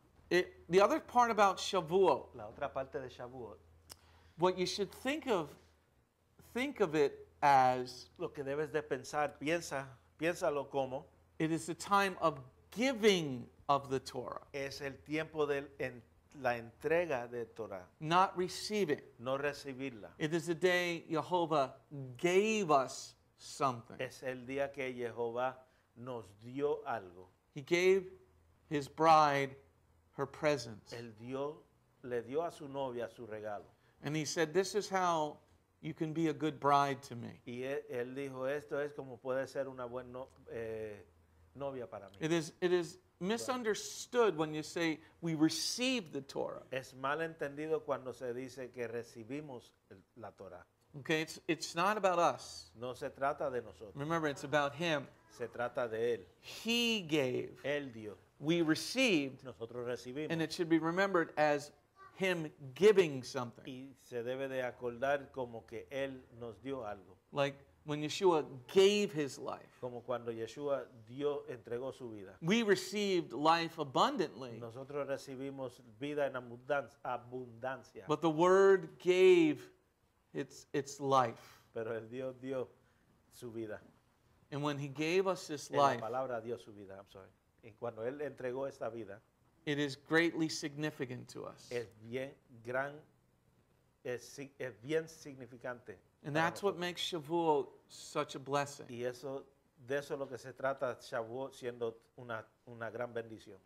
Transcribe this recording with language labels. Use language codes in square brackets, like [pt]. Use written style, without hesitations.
[en] It, the other part about Shavuot. [es] La otra parte de Shavuot. [en] What you should think of it as. [es] Lo que debes de pensar, piénsalo como. [en] It is the time of giving of the Torah. [es] Es el tiempo de la entrega de Torah. [en] Not receiving. [es] No recibirla. [en] It is the day Jehovah gave us something. [es] Es el día que Jehovah nos dio algo. [en] He gave his bride her presence. [es] El Dios le dio a su novia su regalo. [en] And he said, this is how you can be a good bride to me. [es] Y él dijo, esto es como puede ser una buena novia para mí. [en] It is misunderstood when you say we receive the Torah. [es] Es mal entendido cuando se dice que recibimos la Torah. [en] Okay, it's not about us. [es] No se trata de nosotros. [en] Remember, it's about him. [es] Se trata de él. [en] He gave. [es] Él dio. [en] We received. [es] Nosotros recibimos. [en] And it should be remembered as him giving something. [es] Y se debe de acordar como que él nos dio algo. [en] Like when Yeshua gave his life. [es] Como cuando Yeshua dio, entregó su vida. [en] We received life abundantly. [es] Nosotros recibimos vida en abundancia. [en] But the word gave its life. [es] Pero el Dios dio su vida. [en] And when he gave us this life. [es] La palabra dio su vida, [en] I'm sorry. [es] Y cuando él entregó esta vida. [en] It is greatly significant to us. [es] Es bien significante. [en] And that's what makes Shavuot such a blessing. [es] Y eso De eso es lo que se trata, Shavuot siendo una gran bendición.